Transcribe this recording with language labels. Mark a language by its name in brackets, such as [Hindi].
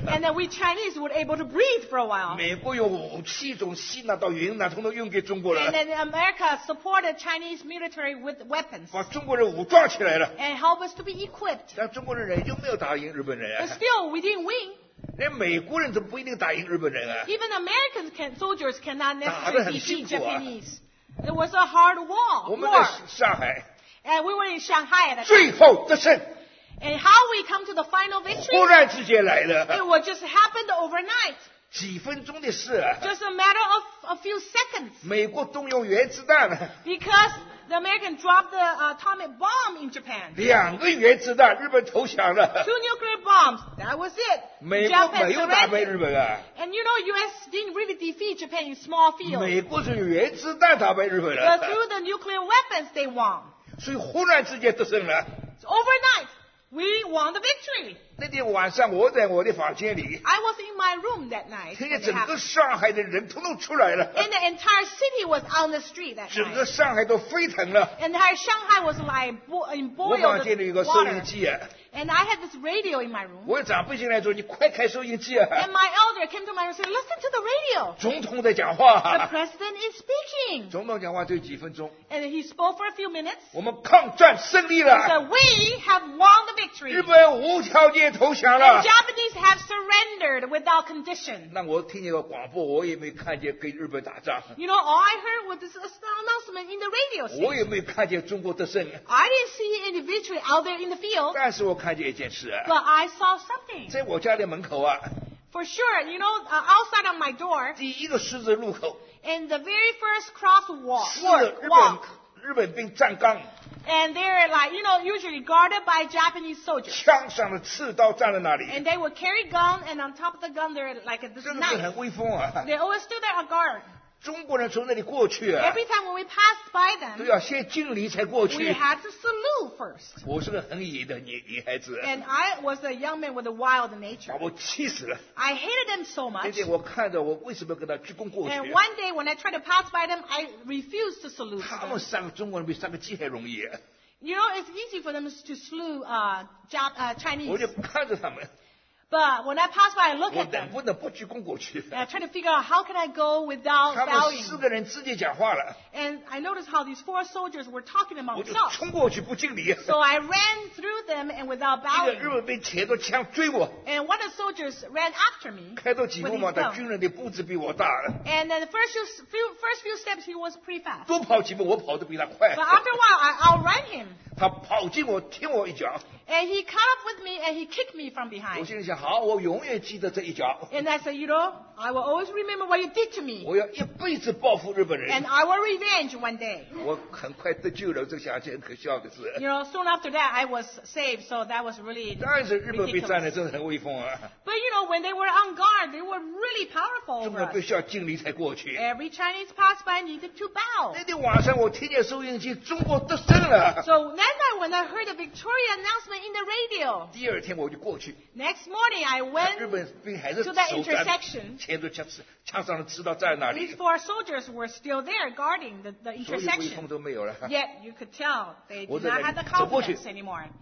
[English] And then we Chinese were able to breathe for a while. [Chinese] 美国用武器从西南到云南统统用给中国了。 [English] And then America supported Chinese military with weapons. [Chinese] 把中国人武装起来了。 [English] And helped us to be equipped. [Chinese] 但中国人仍旧没有打赢日本人。 [English] But still, we didn't win. [Chinese] 连美国人都不一定打赢日本人啊。 [English] Even American soldiers cannot necessarily defeat Japanese. It was a hard war. [Chinese] 我们在上海。 [English] And we were in Shanghai at that time. And how we come to the final victory? [Chinese] 忽然之间来了, [English] it just happened overnight. [Chinese] 几分钟的事, [English] just a matter of a few seconds. [Chinese] 美国动用原子弹, [English] because the Americans dropped the atomic bomb in Japan. [Chinese] 两个原子弹, 日本投降了, [English] two nuclear bombs. That was it. And you know, U.S. didn't really defeat Japan in small fields. [Chinese] 美国是用原子弹打败日本了, [English] but through the nuclear weapons, they won. [Chinese] 所以忽然之间得胜了。 [English] So overnight, we won the victory. [Chinese] 那天晚上我在我的房间里, [English] I was in my room that night. [Chinese] 听见整个上海的人通通出来了。 [English] And the entire city was on the street that night. [Chinese] 整个上海都沸腾了。 [English] And the entire Shanghai was like in boiled water. [Chinese] 我房间里有个收音机, [English] and I had this radio in my room. [Chinese] 我长辈进来说, 你快开收音机, [English] and my elder came to my room and said, listen to the radio. [Chinese] 总统在讲话, [English] the president is speaking. [Chinese] 总统讲话就几分钟, [English] and he spoke for a few minutes. [Chinese] 我们抗战胜利了, [English] and said, we have won the victory. [Chinese] 日本无条件投降了, [English] and Japanese have surrendered without condition. [Chinese] 那我听见个广播, 我也没看见跟日本打仗, [English] you know, all I heard was this announcement in the radio station. [Chinese] 我也没看见中国得胜, [English] I didn't see any victory out there in the field. [Chinese] 但是我看见一件事, [English] but I saw something. [Chinese] 在我家的门口啊, [English] for sure, you know, outside of my door, [Chinese] 第一个十字路口, [English] and the very first crosswalk, [Chinese] 日本兵站岗, [English] and they're like, you know, usually guarded by Japanese soldiers. [Chinese] 枪上的刺刀站在那里, [English] and they would carry gun, and on top of the gun, they're like this knife. [Chinese] 真的是很威风啊, [English] they always stood there on guard. [Chinese] 中国人从那里过去, [English] every time when we passed by them, [Chinese] 都要先敬礼才过去, [English] we had to salute first. [Chinese] 我是个很野的女孩子, [English] and I was a young man with a wild nature. [Chinese] 把我气死了, [English] I hated them so much. [Chinese] 那天我看着我为什么跟他鞠躬过去, [English] and one day when I tried to pass by them, I refused to salute them. [Chinese] 他们杀个中国人比杀个鸡还容易, [English] you know, it's easy for them to slew Chinese. [Chinese] 我就看着他们, [English] but when I pass by, I look at them. [Chinese] 我能不能不鞠躬过去? [English] And I try to figure out how can I go without bowing. [Chinese] 他们四个人自己讲话了。 [English] And I noticed how these four soldiers were talking among themselves. [Chinese] 我就冲过去不敬礼。 [English] So I ran through them and without bowing. [Chinese] 一个日本兵前头枪追我。 [English] And one of the soldiers ran after me. [Chinese] 开到几步嘛, 他军人的步子比我大。 [English] And then the first few steps, he was pretty fast. [Chinese] 多跑几步, 我跑得比他快。 [English] But after a while, I outran him. [Chinese] 他跑进我, 听我一脚, [English] and he caught up with me and he kicked me from behind. [Chinese] 我心里想, 好, 我永远记得这一脚, [English] and I said, you know, I will always remember what you did to me. [Chinese] 我要一辈子报复日本人, [English] and I will revenge one day. [Chinese] 我很快得救了, 这想起很可笑的事, [English] you know, soon after that I was saved, so that was really ridiculous. [Chinese] 但是日本被占了真的很威风啊, [English] but you know, when they were on guard, they were really powerful over us. [Chinese] 中国必须要敬礼才过去, [English] every Chinese passed by needed to bow. [Chinese] 那天晚上我听见收音机, 中国得胜了, [English] so that night when I heard a Victoria announcement in the radio, [Chinese] 第二天我就过去, [English] next morning I went to that intersection. [Chinese] 枪上的刺刀在哪里? [English] These four soldiers were still there guarding the intersection. Yet you could tell they did not have the confidence anymore.